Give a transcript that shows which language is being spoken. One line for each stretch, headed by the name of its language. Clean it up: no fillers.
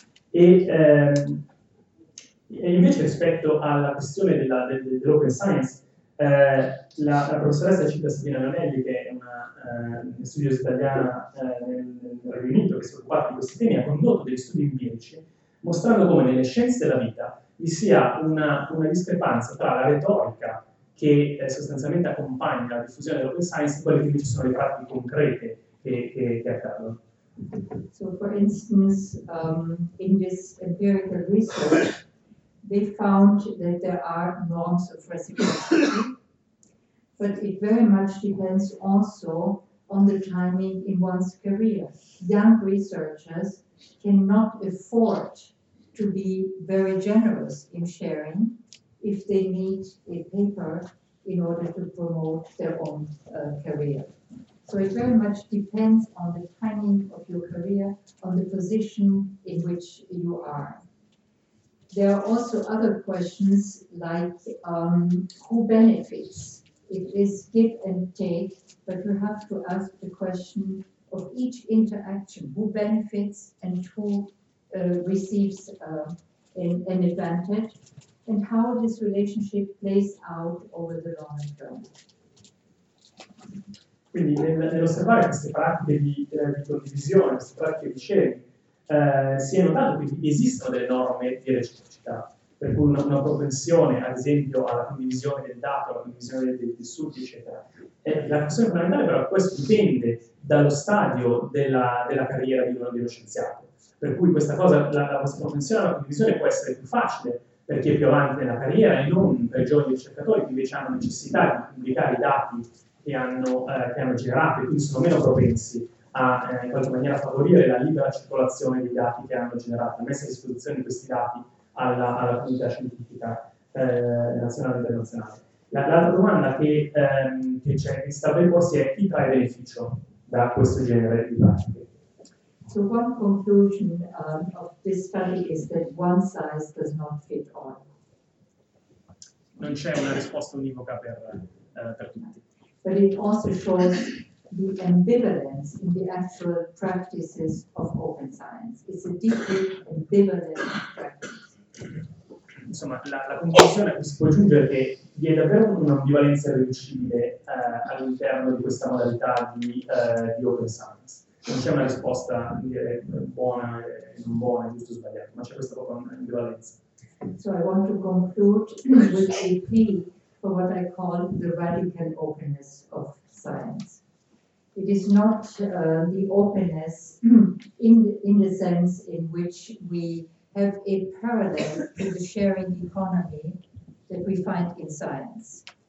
Italian: E invece rispetto alla questione dell'open science, la professoressa cita Sabina Lanelli, che è una studiosa italiana nel Regno Unito che si occupa di questi temi, ha condotto degli studi empirici mostrando come nelle scienze della vita vi sia una discrepanza tra la retorica che sostanzialmente accompagna la diffusione dell'open science e quelle che invece sono le pratiche concrete che accadono.
English: So, for instance, in this empirical research, they found that there are norms of reciprocity, but it very much depends also on the timing in one's career. Young researchers cannot afford to be very generous in sharing if they need a paper in order to promote their own career. So it very much depends on the timing of your career, on the position in which you are. There are also other questions like who benefits? It is give and take, but you have to ask the question of each interaction, who benefits and who receives an advantage, and how this relationship plays out over the long term.
Italian: Quindi nell'osservare queste pratiche di condivisione, queste pratiche di sharing, si è notato che esistono delle norme di reciprocità, per cui una propensione, ad esempio, alla condivisione del dato, alla condivisione dei tessuti, eccetera. E la questione fondamentale però questo dipende dallo stadio della carriera di uno dello scienziato, per cui questa cosa, la vostra propensione alla condivisione può essere più facile per chi è più avanti nella carriera e non per i giovani ricercatori che invece hanno necessità di pubblicare i dati che hanno generato e quindi sono meno propensi a in qualche maniera favorire la libera circolazione dei dati che hanno generato, la messa a disposizione di questi dati alla comunità scientifica nazionale e internazionale. L'altra domanda che sta per porsi è chi trae beneficio da questo genere di pratiche.
English: So one conclusion of this study is that one size does not fit all.
Italian: Non c'è una risposta univoca per tutti.
English: But it also shows the ambivalence in the actual practices of open science. It's a deeply ambivalent practice.
Italian: Insomma, la conclusione a cui si può aggiungere che vi è davvero un'ambivalenza irreducibile all'interno di questa modalità di open science. Non c'è una risposta buona e non buona, giusto o sbagliato, ma c'è questa proprio ambivalenza.
English: So I want to conclude with a plea for what I call the radical openness of science. It is not the openness in the sense in which we have a parallel to the sharing economy that we find in science.